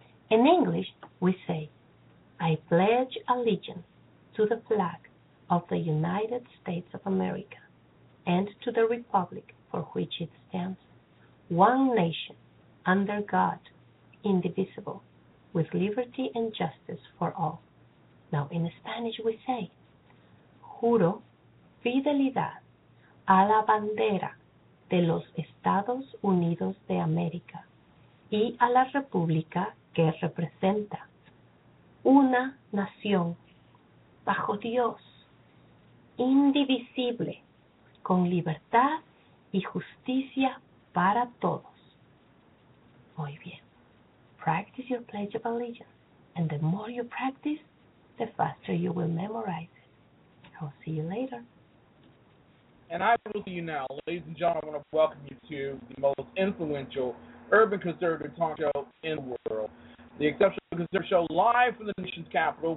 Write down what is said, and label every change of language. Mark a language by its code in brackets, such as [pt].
[en] In English, we say, I pledge allegiance to the flag of the United States of America and to the republic for which it stands, one nation, under God, indivisible, with liberty and justice for all. Now, in Spanish, we say, [es] Juro fidelidad a la bandera de los Estados Unidos de América y a la República que representa una nación bajo Dios, indivisible, con libertad y justicia para todos. Muy bien. [en] Practice your Pledge of Allegiance, and the more you practice, the faster you will memorize. I'll see you later. And I will see you now. Ladies and gentlemen, I want to welcome you to the most influential urban conservative talk show in the world, the Exceptional Conservative Show, live from the nation's capital.